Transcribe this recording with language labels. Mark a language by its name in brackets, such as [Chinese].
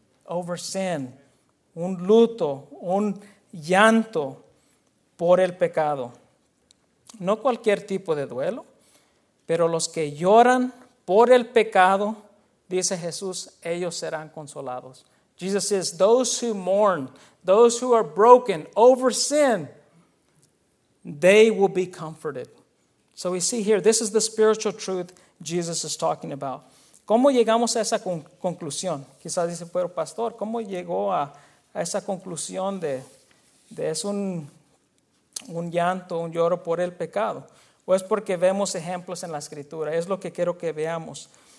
[English] Over sin. [Spanish] Un luto, un llanto por el pecado. No cualquier tipo de duelo, pero los que lloran por el pecado, dice Jesús, ellos serán consolados. [English] Jesus says, those who mourn, those who are broken over sin, they will be comforted. So we see here, this is the spiritual truth Jesus is talking about. [Spanish] ¿Cómo llegamos a esa conclusión? Quizás dice, pero pastor, ¿cómo llegó a esa conclusión de es un llanto, un lloro por el pecado? Pues porque vemos ejemplos en la escritura. Es lo que quiero que veamos.